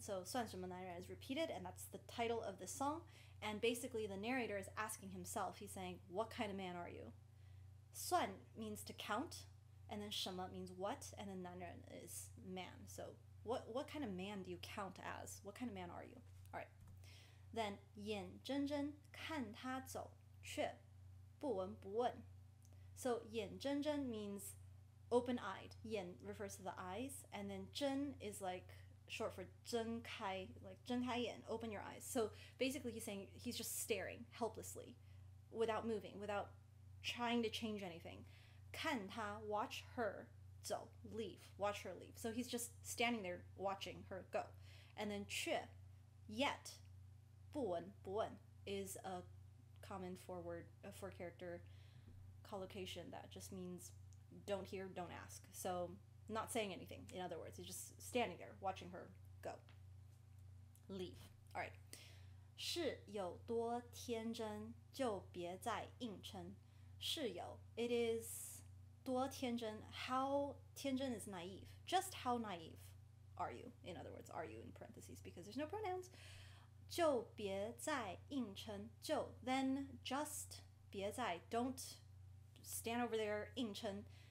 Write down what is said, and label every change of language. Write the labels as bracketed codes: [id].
[en] So, [zh] 算什么男人 [en] is repeated, and that's the title of the song. And basically, the narrator is asking himself, he's saying, what kind of man are you? 算 means to count, and then 什么 means what, and then 男人 is man. So,What kind of man do you count as? What kind of man are you? Alright. Then, [zh] 眼睁睁看他走却不闻不问。 [en] So, 眼睁睁 means open-eyed. 眼 refers to the eyes. And then, 睁 is like short for 睁开, like 睁开眼, open your eyes. So, basically he's saying he's just staring helplessly, without moving, without trying to change anything. 看他, watch her. So, leave, watch her leave. So he's just standing there watching her go. And then 却, yet, 不闻不问 is a common four character collocation that just means don't hear, don't ask. So not saying anything, in other words, he's just standing there watching her go. Leave. Alright. [zh] 是有多天真就别再硬撑。是有, [en] it is... 多天真, how 天真 is naive. Just how naive are you? In other words, are you in parentheses because there's no pronouns. [zh] 就别再硬撑, 就 [en] then just 别再, don't stand over there, 硬撑.